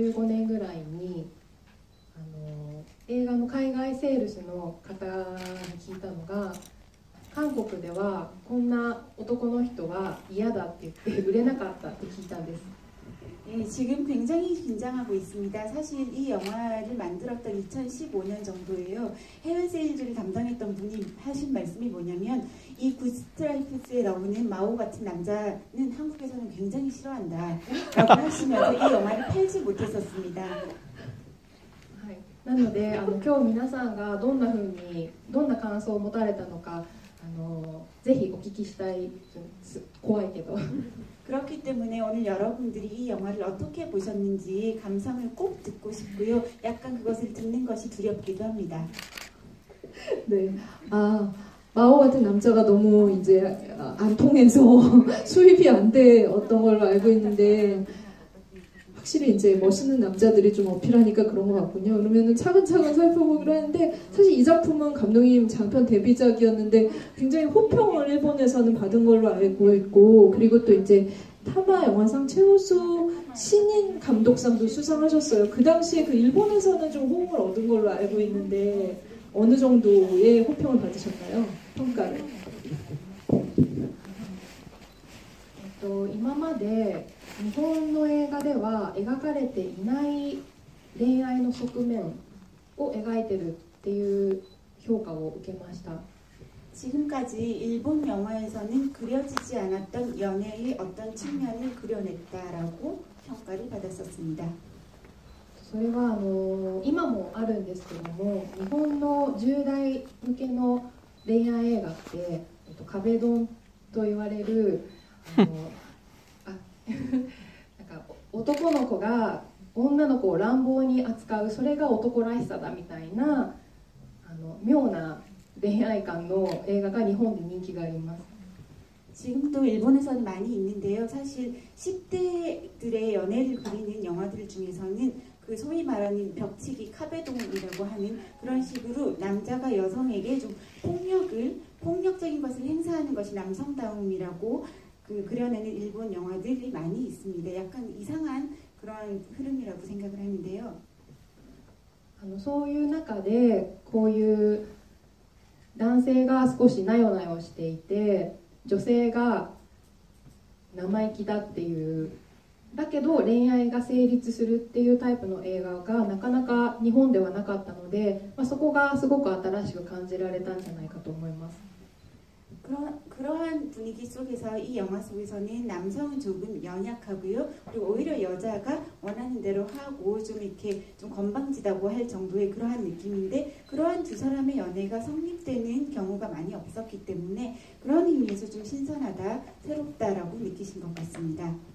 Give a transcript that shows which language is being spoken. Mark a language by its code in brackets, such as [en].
[ja] とても緊張してます。実はこの映画を公開した2015年ぐらいに、映画の海外セールスの方に聞いたのが、韓国ではこんな男の人は嫌だって言って売れなかったって聞いたんです。 [ko] 네, 지금 굉장히 긴장하고 있습니다. 사실 이 영화를 만들었던 2015년 정도예요. 해외 세일즈를 담당했던 분이 하신 말씀이 뭐냐면, 이 굿스트라이프스에 나오는 마오 같은 남자는 한국에서는 굉장히 싫어한다라고 하시면서 이 영화를 팔지 못했었습니다. [ja] なので、今日皆さんがどんなふうに、どんな感想を持たれたのか、ぜひお聞きしたい、怖いけど。 [ko] 그렇기 때문에 오늘 여러분들이 이 영화를 어떻게 보셨는지 감상을 꼭 듣고 싶고요. 약간 그것을 듣는 것이 두렵기도 합니다. 네. 마오 같은 남자가 너무 이제 안 통해서 수입이 안돼 어떤 걸로 알고 있는데, 확실히 이제 멋있는 남자들이 좀 어필하니까 그런 것 같군요. 그러면은 차근차근 살펴보기로 했는데, 사실 이 작품은 감독님 장편 데뷔작이었는데 굉장히 호평을 일본에서는 받은 걸로 알고 있고, 그리고 또 이제 타마 영화상 최우수 신인 감독상도 수상하셨어요. 그 당시에 그 일본에서는 좀 호응을 얻은 걸로 알고 있는데, 어느 정도의 호평을 받으셨나요? 평가를. [ja] 今まで日本の映画では描かれていない恋愛の側面を描いてるっていう評価を受けました。 [ko] 지금까지 일본 영화에서는 그려지지 않았던 연애의 어떤 측면을 그려냈다라고 평가를 받았었습니다. [ja] それは今もあるんですけども、日本の10代向けの恋愛映画って壁ドンと言われる、なんか男の子が女の子を乱暴に扱う、それが男らしさだみたいな、妙な恋愛観の映画が日本で人気があります。 [ko] 지금도 일본에서는 많이 있는데요. 사실 10대들의 연애를 그리는 영화들 중에서는 그 소위 말하는 벽치기 카베돈이라고 하는 그런 식으로 남자가 여성에게 좀 폭력적인 것을 행사하는 것이 남성다움이라고 그 그려내는 일본 영화들이 많이 있습니다. 약간 이상한 그런 흐름이라고 생각을 하는데요. [ja] そういう中でこういう男性が少しなよなよしていて女性が生意気だっていうだけど恋愛が成立するっていうタイプの映画がなかなか日本ではなかったので、まあそこがすごく新しく感じられたんじゃないかと思います。 [ko] 그러한 분위기 속에서 이 영화 속에서는 남성은 조금 연약하고요. 그리고 오히려 여자가 원하는 대로 하고 좀 이렇게 좀 건방지다고 할 정도의 그러한 느낌인데 그러한 두 사람의 연애가 성립되는 경우가 많이 없었기 때문에 그런 의미에서 좀 신선하다, 새롭다라고 느끼신 것 같습니다.